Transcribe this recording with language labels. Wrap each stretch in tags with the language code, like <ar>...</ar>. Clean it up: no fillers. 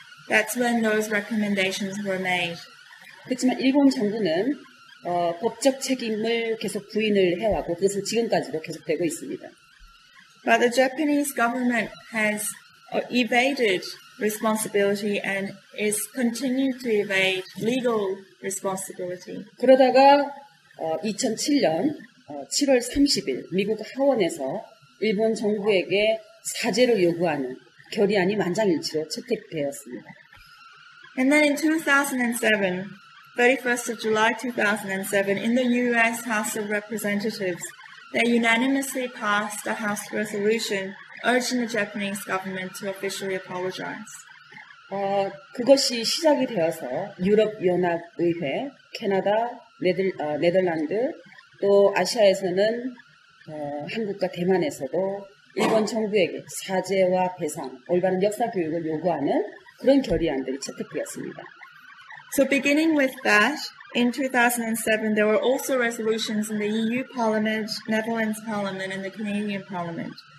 <en>That's when those recommendations were made.</en> <ko>그렇지만 일본 정부는 법적 책임을 계속 부인을 해왔고 그것은 지금까지도 계속되고 있습니다.</ko> <en>But the Japanese government has evaded responsibility and is continuing to evade legal responsibility.</en> <ko>그러다가 2007년 7월 30일 미국 하원에서 일본 정부에게 사죄를 요구하는 결의안이 만장일치로 채택되었습니다.</ko> <en>And then in 2007, 31st of July 2007, in the U.S. House of Representatives, they unanimously passed a House resolution urging the Japanese government to officially apologize.</en> <ko>그것이 시작이 되어서 유럽연합의회, 캐나다, 네덜란드, 또 아시아에서는 한국과 대만에서도 일본 정부에게 사죄와 배상, 올바른 역사 교육을 요구하는 그런 결의안들이 채택되었습니다.</ko> <en>So beginning with that, in 2007, there were also resolutions in the EU Parliament, Netherlands Parliament, and the Canadian Parliament.</en>